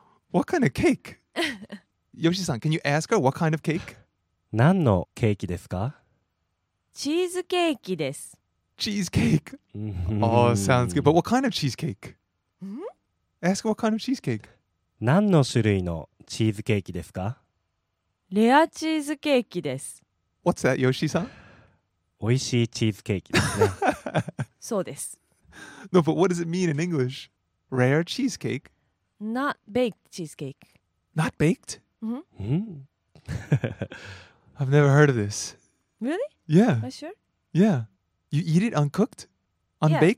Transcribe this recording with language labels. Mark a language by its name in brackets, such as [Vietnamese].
[English] What kind of cake? Yoshi-san, can you ask her what kind of cake? [Japanese] 何のケーキですか？チーズケーキです。 [English] Cheesecake. Oh, sounds good. But what kind of cheesecake? Ask what kind of cheesecake. [Japanese] 何の種類のチーズケーキですか？レアチーズケーキです。 [English] What's that, Yoshi-san? [Japanese] 美味しいチーズケーキですね。そうです。 [English] No, but what does it mean in English? Rare cheesecake? Not baked cheesecake. Not baked? Mm-hmm. I've never heard of this. Really? Yeah. Are you sure? Yeah. You eat it uncooked? Unbaked?